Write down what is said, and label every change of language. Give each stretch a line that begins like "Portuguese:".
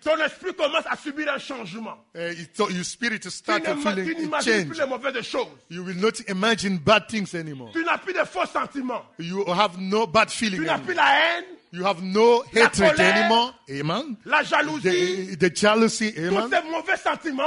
French: Ton esprit commence à subir un changement.
English: Your spirit starts to feel change.
French: Tu n'imagines plus les mauvaises choses.
English: You will not imagine bad things anymore.
French: Tu n'as plus de faux sentiments.
English: You have no bad feeling.
French: Tu n'as plus la haine.
English: You have no hatred
French: colère,
English: anymore. Amen.
French: La jalousie.
English: The jealousy. Amen.
French: Tous ces mauvais sentiments.